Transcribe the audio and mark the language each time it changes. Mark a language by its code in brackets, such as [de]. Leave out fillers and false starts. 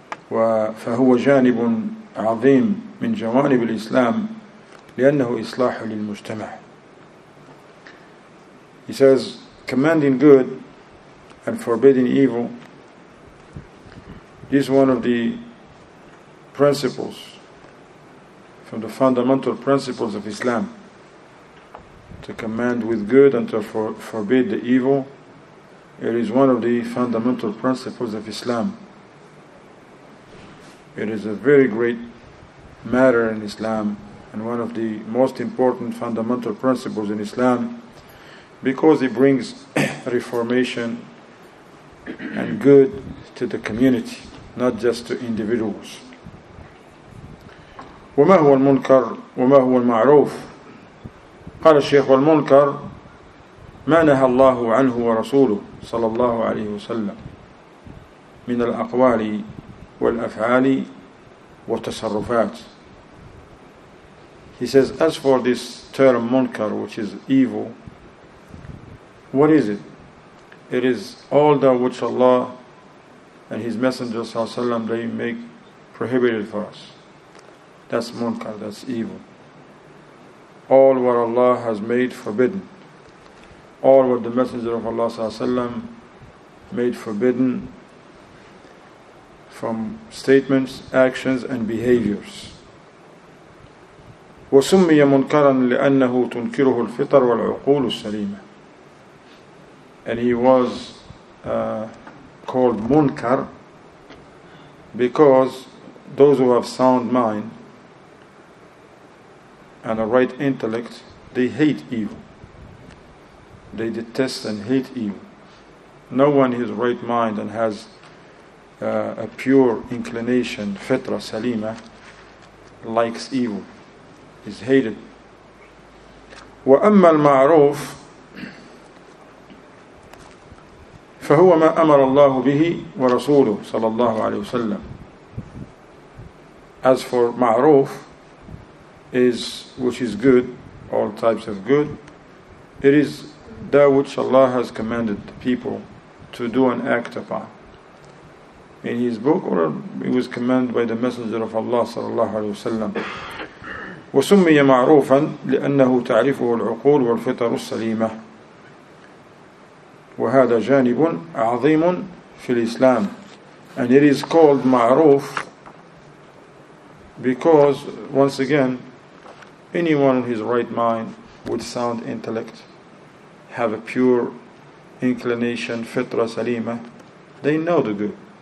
[ar] فهو جانب عظيم من جوانب الإسلام لأنه إصلاح للمجتمع. [en] He says, commanding good and forbidding evil, this is one of the principles, from the fundamental principles of Islam, to command with good and to forbid the evil. It is one of the fundamental principles of Islam. It is a very great matter in Islam and one of the most important fundamental principles in Islam because it brings reformation and good to the community, not just to individuals. [ar] وما هو المنكر وما هو المعروف قال الشيخ والمنكر ما نهى الله عنه ورسوله صلى الله عليه وسلم من الأقوال والأفعال والتصرفات. [en] He says, as for this term munkar, which is evil, what is it? It is all that which Allah and His Messenger [ar] صلى الله عليه وسلم [en] they make prohibited for us. That's munkar, that's evil. All what Allah has made forbidden. All what the Messenger of Allah [ar] صلى الله عليه وسلم [en] made forbidden from statements, actions, and behaviors. [ar] وسمي منكرا لأنه تنكره الفطر والعقول السليمة. [en] And he was called munkar because those who have sound mind and a right intellect, they hate evil. They detest and hate evil. No one has right mind and has a pure inclination, fitra salima, likes evil, is hated. [ar] وَأَمَّا الْمَعْرُوفِ فَهُوَ مَا أَمَرَ اللَّهُ بِهِ وَرَسُولُهُ صَلَى اللَّهُ عَلَيْهُ وَسَلَّمُ. [en] As for ma'roof, is which is good, all types of good, it is that which Allah has commanded the people to do and act upon in His book, or it was commanded by the Messenger of Allah [ar] صلى الله عليه وسلم. وسمي معروفا لأنه تعرفه العقول والفطر السليمة. وهذا جانب عظيم في الإسلام. [en] And it is called معروف because, once again, anyone in his right mind with sound intellect have a pure inclination, fitra salima, they know the good.